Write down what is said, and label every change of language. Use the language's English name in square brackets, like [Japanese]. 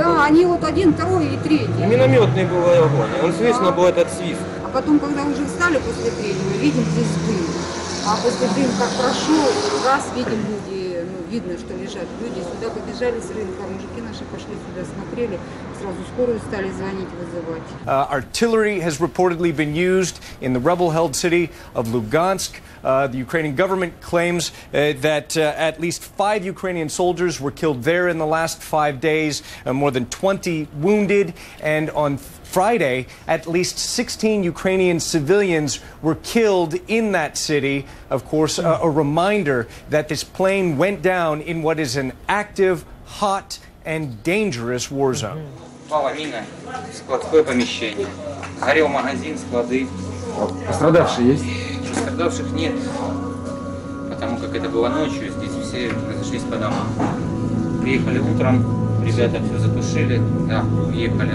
[Russian] Да, они вот один, второй и третий. Минометный был огонь, он свистнул был этот свист. А потом, когда уже встали после третьего, видим здесь дым. А после дым как прошел, раз видим люди, ну видно, что лежат люди. Сюда побежали с рынка, мужики наши пошли сюда, смотрели. [English] Artillery has reportedly been used in the rebel-held city of Lugansk. The Ukrainian government claims that at least five Ukrainian soldiers were killed there in the last 5 days, more than 20 wounded, and on Friday, at least 16 Ukrainian civilians were killed in that city. Of course, a reminder that this plane went down in what is an active, hot, and dangerous war zone. Mm-hmm. [Russian] Упала мина, складское помещение. Горел магазин, склады. Пострадавшие есть? Пострадавших нет. Потому как это было ночью, здесь все разошлись по домам. Приехали утром, ребята все затушили, да, уехали.